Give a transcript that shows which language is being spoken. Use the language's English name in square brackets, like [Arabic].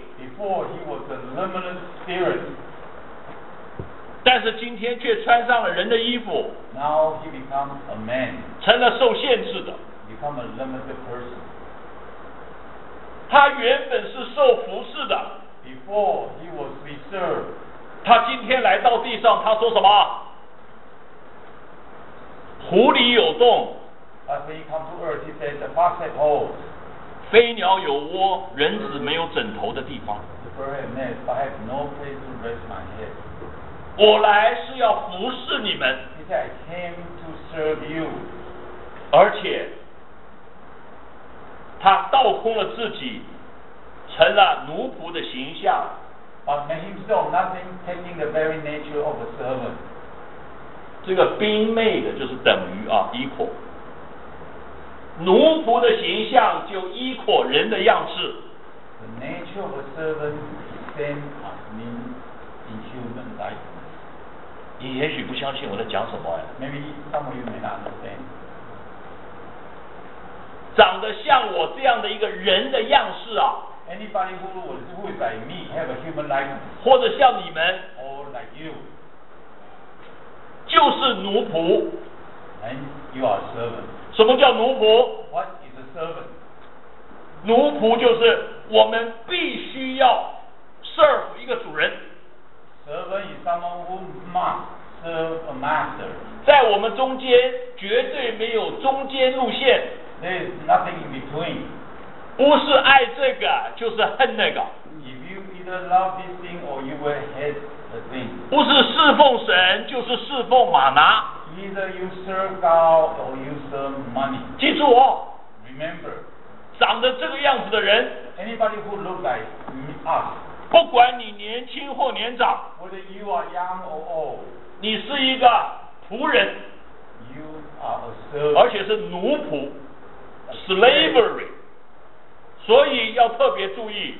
[English] Before he was a limitless spirit. [Chinese] 但是今天却穿上了人的衣服。 [English] Now he becomes a man. [Chinese] 成了受限制的。 [English] Become a limited person. [Chinese] 他原本是受服侍的。 [English] Before he was reserved. [Chinese] 他今天来到地上，他说什么？狐狸有洞。 [English] But when he comes to earth, he says the fox has holes. [Chinese] 飞鸟有窝，人子没有枕头的地方。 [English] The bird has nest, but I have no place to rest my head. [Chinese] 我来是要服侍你们。 [English] He said, I came to serve you. [Chinese] 而且，他倒空了自己，成了奴仆的形象。 [English] But made himself nothing, taking the very nature of a servant. [Chinese] 这个 [English] being made [Chinese] 就是等于啊 ，equal。奴仆的形象就 equal 人的样式。 [English] The nature of a servant is same as mean in human life. [Chinese] 你也许不相信我在讲什么呀 [English] ？Maybe some of you may not understand. [Chinese] 长得像我这样的一个人的样式啊 [English] ，Anybody who is like me have a human likeness. [Chinese] 或者像你们 [English] ，or like you， [Chinese] 就是奴仆 [English] ，and you are a servant. [Chinese] 什么叫奴仆 [English] ？What is a servant？ [Chinese] 奴仆就是我们必须要 serve 一个主人。 [English] Servant is someone who must serve a master. [Chinese] 在我们中间绝对没有中间路线。 [English] There is nothing in between. [Chinese] 不是爱这个就是恨那个。 [English] If you either love this thing or you will hate the thing. [Chinese] 不是侍奉神就是侍奉马拿。 [English] Either you serve God or you serve money. [Chinese] 记住哦。 [English] Remember. [Chinese] 长得这个样子的人。 [English] Anybody who looks like us. [Chinese] 不管你年轻或年长 [English] Whether you are young or old, [Chinese] 你是一个仆人 [English] you are a servant, [Chinese] 而且是奴仆 slavery 所以要特别注意